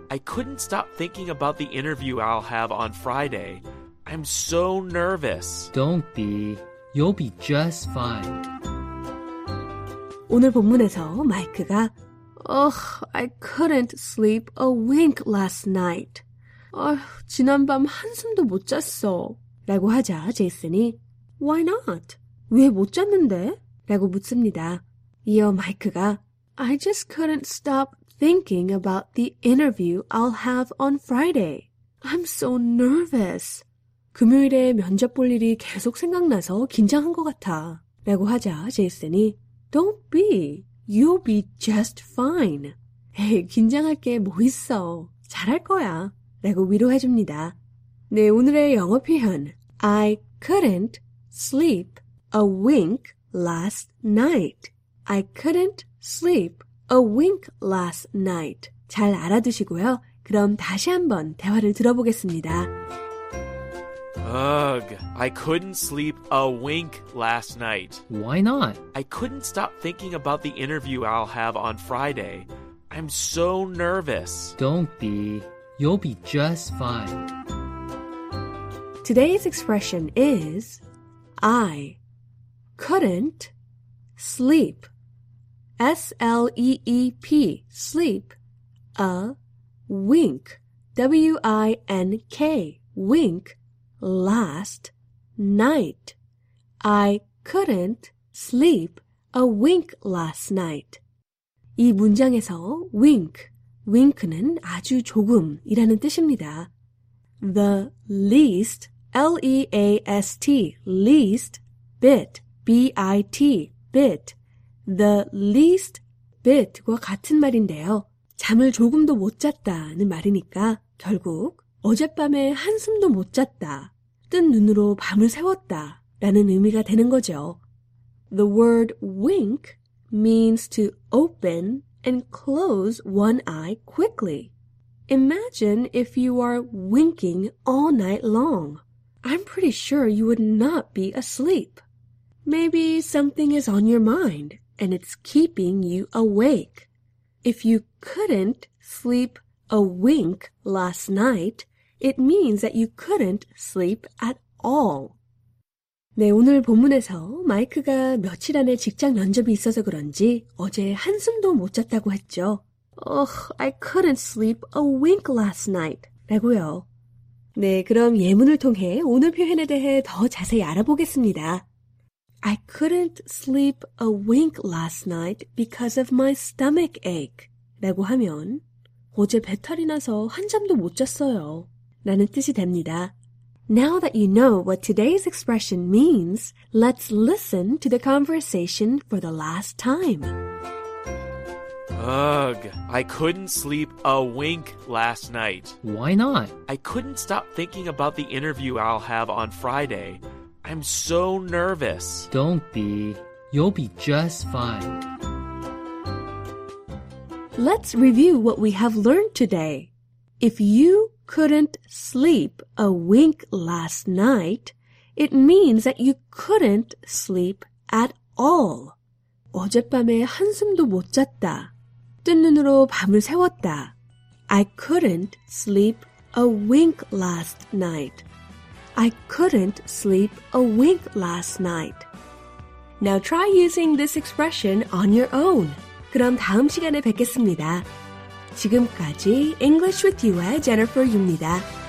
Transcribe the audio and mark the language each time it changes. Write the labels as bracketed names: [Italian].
[English] I couldn't stop thinking about the interview I'll have on Friday. I'm so nervous. Don't be. You'll be just fine. [Korean] 오늘 본문에서 마이크가 [English] Ugh, I couldn't sleep a wink last night. [Korean] 지난밤 한숨도 못 잤어. 라고 하자 제이슨이 [English] Why not? [Korean] 왜 못 잤는데? 라고 묻습니다. 이어 마이크가 [English] I just couldn't stop thinking about the interview I'll have on Friday. I'm so nervous. [Korean] 금요일에 면접 볼 일이 계속 생각나서 긴장한 것 같아. 라고 하자 제이슨이 [English] Don't be. You'll be just fine. [Korean] 에이, 긴장할 게 뭐 있어. 잘할 거야. 라고 위로해 줍니다. 네, 오늘의 영어 표현. [English] I couldn't sleep a wink last night. I couldn't sleep a wink last night. [Korean] 잘 알아두시고요. 그럼 다시 한번 대화를 들어보겠습니다. [English] Ugh, I couldn't sleep a wink last night. Why not? I couldn't stop thinking about the interview I'll have on Friday. I'm so nervous. Don't be. You'll be just fine. Today's expression is I couldn't sleep. S-L-E-E-P, sleep, a wink, W-I-N-K, wink, last night. I couldn't sleep a wink last night. [Korean] 이 문장에서 wink, wink는 아주 조금이라는 뜻입니다. [English] The least, L-E-A-S-T, least bit, B-I-T, bit. The least bit [Korean] 과 같은 말인데요. 잠을 조금도 못 잤다는 말이니까 결국 어젯밤에 한숨도 못 잤다, 뜬 눈으로 밤을 새웠다 라는 의미가 되는 거죠. [English] The word wink means to open and close one eye quickly. Imagine if you are winking all night long. I'm pretty sure you would not be asleep. Maybe something is on your mind. And it's keeping you awake. If you couldn't sleep a wink last night, it means that you couldn't sleep at all. [Korean] 네, 오늘 본문에서 마이크가 며칠 안에 직장 면접이 있어서 그런지 어제 한숨도 못 잤다고 했죠. [English] Ugh, I couldn't sleep a wink last night. [Korean] 라고요. 네, 그럼 예문을 통해 오늘 표현에 대해 더 자세히 알아보겠습니다. [English] I couldn't sleep a wink last night because of my stomach ache. [Korean] 라고 하면 어제 배탈이 나서 한 잠도 못 잤어요. 라는 뜻이 됩니다. [English] Now that you know what today's expression means, let's listen to the conversation for the last time. Ugh, I couldn't sleep a wink last night. Why not? I couldn't stop thinking about the interview I'll have on Friday. I'm so nervous. Don't be. You'll be just fine. Let's review what we have learned today. If you couldn't sleep a wink last night, it means that you couldn't sleep at all. [Korean] 어젯밤에 한숨도 못 잤다. 뜬 눈으로 밤을 새웠다. [English] I couldn't sleep a wink last night. I couldn't sleep a wink last night. Now try using this expression on your own. [Korean] 그럼 다음 시간에 뵙겠습니다. 지금까지 English with You의 Jennifer 유입니다.